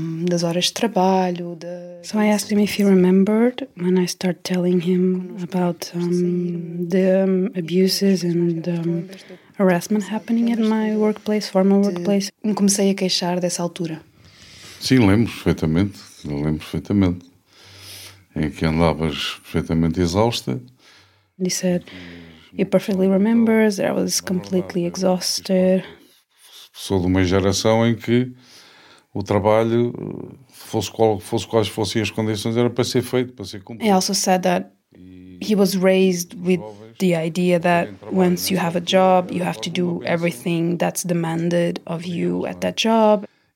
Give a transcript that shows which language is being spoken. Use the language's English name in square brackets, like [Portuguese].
[Portuguese] Das horas de trabalho, [English] So I asked him if he remembered when I started telling him about the abuses and harassment happening at my workplace, former workplace. [Portuguese] Me comecei a queixar dessa altura. Sim, lembro perfeitamente. Em que andavas perfeitamente exausta. [English] He said, he perfectly remembers that I was completely exhausted. [Portuguese] Sou de uma geração em que o trabalho, fosse quais fossem as condições, era para ser feito, para ser cumprido. [English] He also said that he was raised with the idea that once you have a job, you have to do everything that's demanded of you at that job.